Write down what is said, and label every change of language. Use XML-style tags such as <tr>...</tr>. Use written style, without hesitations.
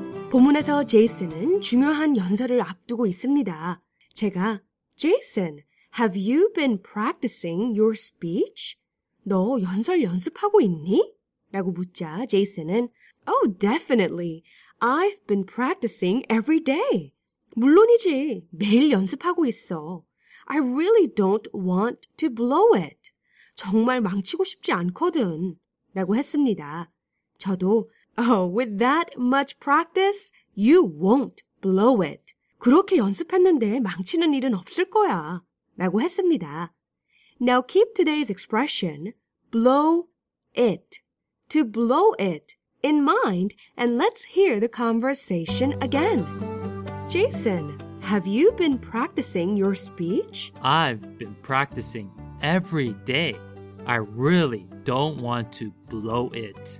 <ko>본문에서 제이슨은 중요한 연설을 앞두고 있습니다. 제가</ko> <en>Jason, have you been practicing your speech?</en> <ko>너 연설 연습하고 있니? 라고 묻자 제이슨은</ko> <en>Oh, definitely. I've been practicing every day.</en> <ko>물론이지. 매일 연습하고 있어.</ko> <en>I really don't want to blow it.</en> <ko>정말 망치고 싶지 않거든. 라고 했습니다. 저도</ko> <en>Oh, with that much practice, you won't blow it.</en> <ko>그렇게 연습했는데 망치는 일은 없을 거야. 라고 했습니다.</ko> <en>Now keep today's expression, blow it, to blow it, in mind, and let's hear the conversation again. Jason, have you been practicing your speech? I've been practicing every day. I really don't want to blow it.</en>